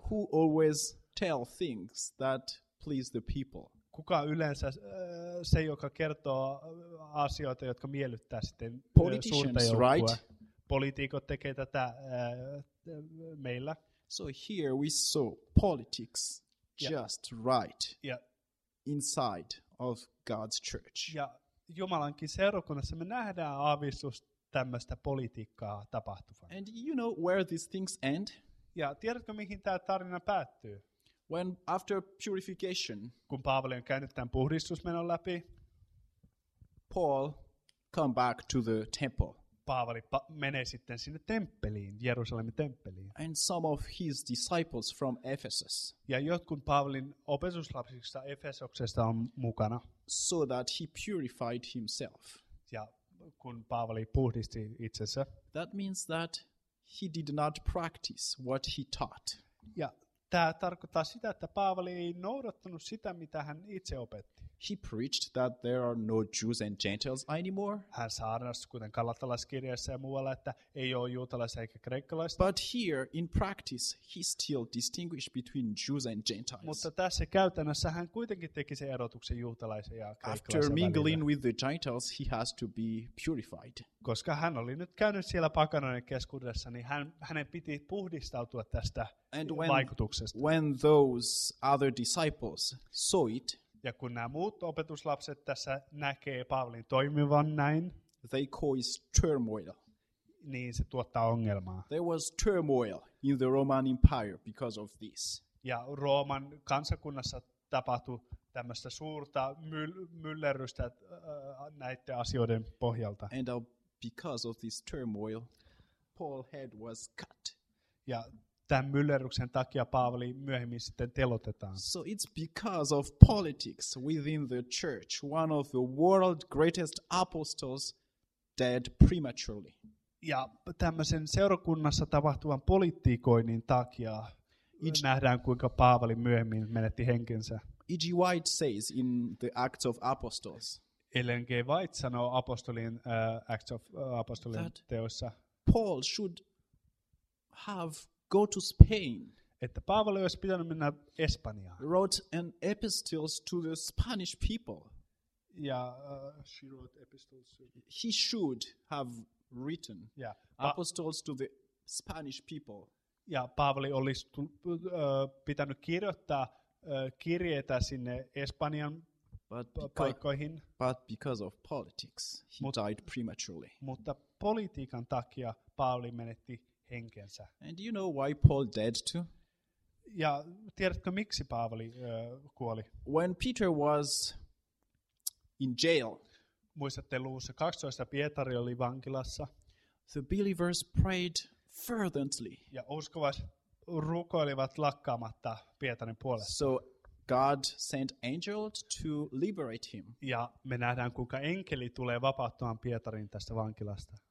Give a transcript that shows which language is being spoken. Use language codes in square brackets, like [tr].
[en] Who always tell things that please the people? [fi] Kuka yleensä se, joka kertoo asioita, jotka miellyttää sitten [en] politicians, right? [fi] Poliitikot tekee tätä meillä. [en] So here we saw politics just right inside of God's church. [fi] Ja Jumalankin seurakunnassa me nähdään aavistus tämmöistä politiikkaa tapahtuvan. [en] And you know where these things end? [fi] Ja tiedätkö, mihin tämä tarina päättyy? [en] When after purification, [fi] kun Paavali on käynyt tämän puhdistusmenon läpi, [en] Paul come back to the temple. [fi] Paavali menee sitten sinne temppeliin, Jerusalemin temppeliin. [en] And some of his disciples from Ephesus. [fi] Ja jotkut Paavalin opetuslapsista Efesoksesta on mukana. [en] So that he purified himself. [fi] Ja kun Paavali puhdisti itsensä. [en] That means that he did not practice what he taught. [fi] Ja tämä tarkoittaa sitä, että Paavali ei noudattanut sitä, mitä hän itse opetti. [en] He preached that there are no Jews and Gentiles anymore. [fi] Hän saarnasi, kuten Galatalaiskirjassa ja muualla, että ei ole juutalaisia eikä kreikkalaisia. [en] But here, in practice, he still distinguished between Jews and Gentiles. [fi] Mutta tässä käytännössä hän kuitenkin teki sen erotuksen juutalaisen ja kreikkalaisen välillä. [en] After mingling with the Gentiles, he has to be purified. [fi] Koska hän oli nyt käynyt siellä pakanoiden keskuudessa, niin hänen piti puhdistautua tästä vaikutuksesta. [en] And when those other disciples saw it, [fi] ja kun nämä muut opetuslapset tässä näkee Paavalin toimivan näin, [en] they cause turmoil. [fi] Niin se tuottaa ongelmaa. [en] There was turmoil in the Roman Empire because of this. [fi] Ja Rooman kansakunnassa tapahtui tämmöistä suurta myllerrystä näiden asioiden pohjalta. [en] And because of this turmoil, Paul's head was cut. [fi] Ja tämän myllerryksen takia Paavali myöhemmin sitten telotetaan. [en] So it's because of politics within the church, one of the world's greatest apostles dead prematurely. [fi] Ja tämmöisen seurakunnassa tapahtuvan politiikoinnin takia nähdään, kuinka Paavali myöhemmin menetti henkensä. [en] E.G. White says in the Acts of Apostles. [fi] Ellen G. White sanoo apostolien [en] Acts of [fi] apostolien teossa. [en] Paul should have go to Spain. [fi] Että Paavali olisi pitänyt mennä Espanjaan. [en] Wrote an epistles to the Spanish people. [fi] Ja [en] she wrote epistles. He should have written apostles to the Spanish people. [fi] Ja Paavali olisi pitänyt kirjoittaa kirjeitä sinne Espanjan paikkoihin. [en] But because of politics, died prematurely. [fi] Mutta politiikan takia Paavali menetti henkensä. [en] And you know why Paul dead too? [fi] Ja tiedätkö miksi Paavali kuoli? [en] When Peter was in jail. [fi] Muistatte luussa 12 Pietari oli vankilassa. [en] The believers prayed fervently. [fi] Ja uskovaiset rukoilivat lakkaamatta Pietarin puolesta. [en] So God sent angels to liberate him. [fi] Ja me nähdään kuinka enkeli tulee vapauttamaan Pietarin tästä vankilasta.